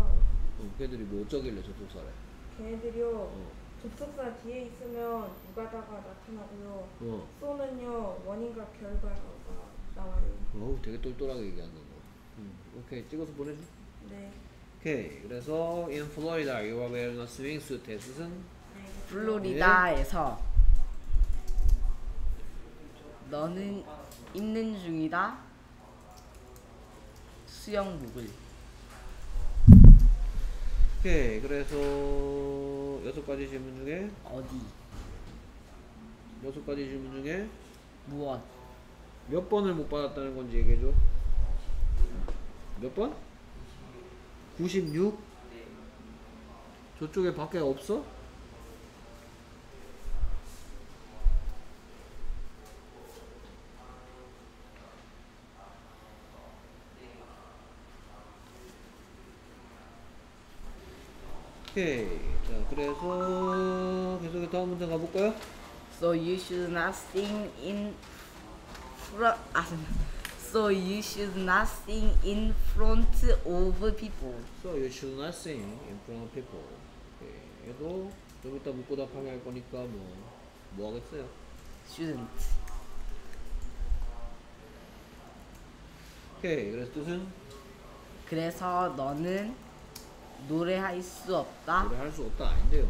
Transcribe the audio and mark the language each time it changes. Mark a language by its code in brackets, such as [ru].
[ko] 어, 걔들이 뭐 어쩌길래 접속사래? 걔들이요. 어. 접속사 뒤에 있으면 누가다가 나타나고요. 수는요 어. 원인과 결과가 나와요. 어우, 되게 똘똘하게 얘기하는 거. 오케이, 찍어서 보내줘. 네. 오케이. 그래서 [en] in Florida you are wearing a swimming suit. [ko] 뜻은 플로리다에서 너는 입는 중이다 수영복을. 오케이. 그래서 여섯 가지 질문 중에 어디 여섯 가지 질문 중에 무엇 몇 번을 못 받았다는 건지 얘기해 줘. 몇 번? 96? 저쪽에 밖에 없어? 오케이. 자, 그래서 계속 다음 문제 가볼까요? [en] So you should not sing in front. [ko] 아, [en] So you should not sing in front of people. So you should not sing in front of people. [ko] 얘도 좀 이따 묻고 답하게 할 거니까 뭐 하겠어요? [en] Shouldn't. Okay. [ko] 그래서 뜻은? 그래서 너는 노래할 수 없다. 노래할 수 없다 아닌데요.